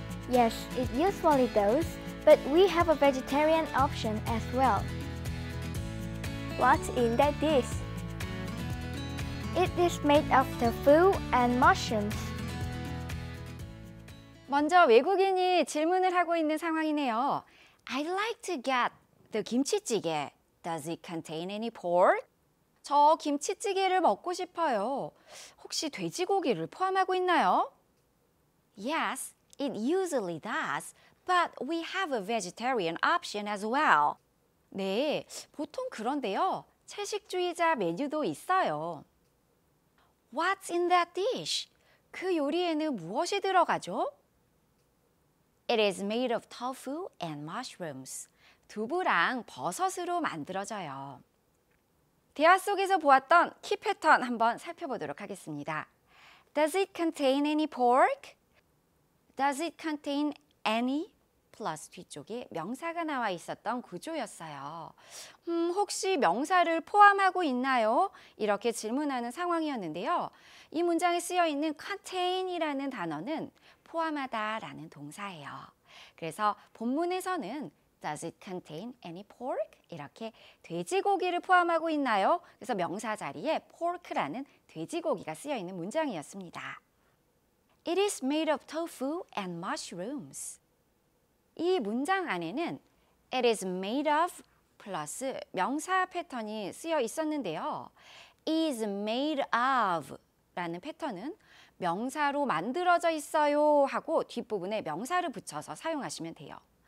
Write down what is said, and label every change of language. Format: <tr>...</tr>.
<en>Yes, it usually does, but we have a vegetarian option as well. What's in that dish? It is made of tofu and mushrooms.</en> <ko>먼저 외국인이 질문을 하고 있는 상황이네요.</ko> <en>I'd like to get the 김치찌개. Does it contain any pork?</en> <ko>저 김치찌개를 먹고 싶어요. 혹시 돼지고기를 포함하고 있나요?</ko> <en>Yes, it usually does, but we have a vegetarian option as well.</en> <ko>네, 보통 그런데요. 채식주의자 메뉴도 있어요.</ko> <en>What's in that dish?</en> <ko>그 요리에는 무엇이 들어가죠?</ko> <en>It is made of tofu and mushrooms.</en> <ko>두부랑 버섯으로 만들어져요. 대화 속에서 보았던 키 패턴 한번 살펴보도록 하겠습니다.</ko> <en>Does it contain any pork? Does it contain any?</en> <ko>플러스 뒤쪽에 명사가 나와 있었던 구조였어요. 혹시 명사를 포함하고 있나요? 이렇게 질문하는 상황이었는데요. 이 문장에 쓰여 있는 contain이라는 단어는 포함하다 라는 동사예요. 그래서 본문에서는</ko> <en>Does it contain any pork?</en> <ko>이렇게 돼지고기를 포함하고 있나요? 그래서 명사 자리에 pork라는 돼지고기가 쓰여 있는 문장이었습니다.</ko> <en>It is made of tofu and mushrooms.</en> <ko>이 문장 안에는</ko> <en>It is made of</en> <ko>플러스 명사 패턴이 쓰여 있었는데요. Is made of 라는 패턴은 명사로 만들어져 있어요 하고 뒷부분에 명사를 붙여서 사용하시면 돼요.</ko>